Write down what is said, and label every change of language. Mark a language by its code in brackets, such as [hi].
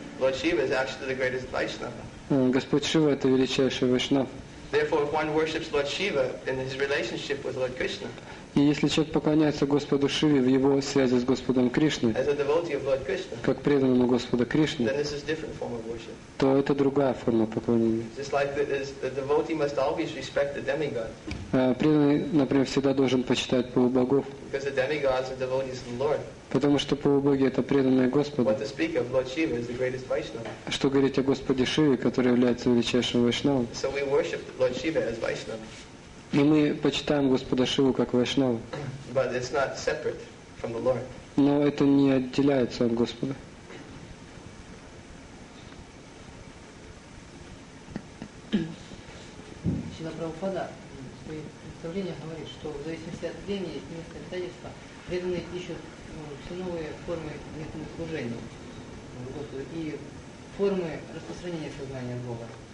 [en] Lord Shiva is actually the greatest Vaishnava. [ru] Господь Шива это величайший Вайшнав. [en] Therefore, if one worships Lord Shiva in his relationship with Lord Krishna, [ru] и если человек поклоняется Господу Шиве в его связи с Господом Кришной, [en] as a devotee of Lord Krishna, [ru] как преданному Господу Кришне, [en] then this is a different form of worship. [ru] То это другая форма поклонения. [en] Just like the devotee must always respect the demigod. [ru] Преданный, например, всегда должен почитать полубогов. [en] Because the demigods are devotees of the Lord. [ru] Потому что полубоги это преданные Господу. [en] What to speak of Lord Shiva is the greatest Vaishnava. [ru] Что говорить о Господе Шиве, который является величайшим Вайшнавом? [en] So we worship Lord Shiva as Vaishnava. [ru] И мы почитаем Господа Шиву как Вайшнава. [en] But it's not separate from the Lord. [ru] Но это не отделяется от Господа. Шрила Прабхупада в своих представлениях говорит, что в зависимости от времени и места обстоятельства преданные ищут все новые формы методы служения Господу и формы распространения сознания Бога.